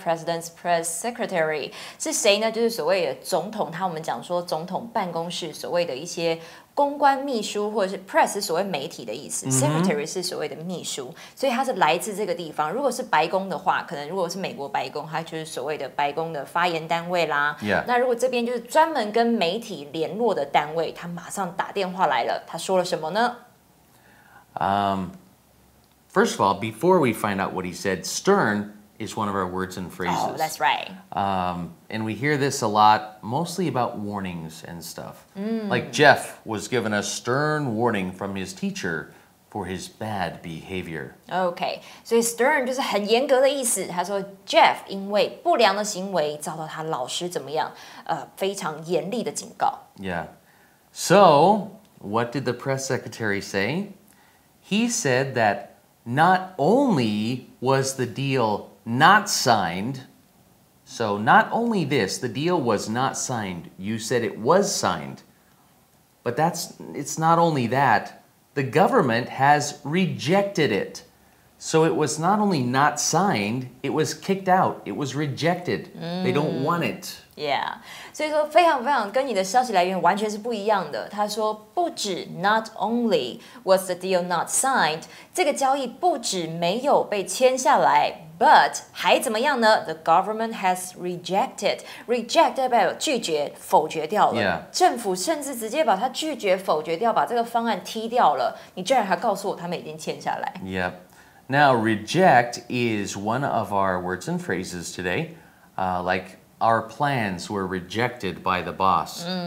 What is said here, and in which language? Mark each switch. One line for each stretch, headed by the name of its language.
Chinese: President's press secretary 是谁呢？就是所谓的总统，他我们讲说总统办公室所谓的一些公关秘书，或者是 press 是所谓媒体的意思、mm-hmm. secretary 是所谓的秘书，所以他是来自这个地方。如果是白宫的话，可能如果是美国白宫，他就是所谓的白宫的发言单位啦、
English: yeah.
Chinese: 那如果这边就是专门跟媒体联络的单位，他马上打电话来了，他说了什么呢？
English: First of all, before we find out what he said, stern is one of our words and phrases. Oh, that's right. And we hear this a lot, mostly about warnings and stuff. Like Jeff was given a stern warning from his teacher for his bad behavior.
Chinese: Okay, so stern 就是很严格的意思。他说 Jeff 因为不良的行为遭到他老师怎么样？非常严厉的警告。
English: Yeah. So, what did the press secretary say? He said that not only was the deal not signed, so not only this, the deal was not signed, you said it was signed, but that's, it's not only that, the government has rejected it. So it was not only not signed, it was kicked out, it was rejected, they don't want it.
Chinese: Yeah, 所以说非常非常跟你的消息来源完全是不一样的。他说不止 not only was the deal not signed, 这个交易不止没有被签下来。
English: But, 还怎么样呢? The government has rejected.
Chinese: Reject 代表拒绝、否决掉了。
English: Yeah.
Chinese: 政府甚至直接把它拒绝、否决掉、把这个方案踢掉了。你居然还告诉我他们已经签下来。
English: Yep. Now, reject is one of our words and phrases today. Like, our plans were rejected by the boss.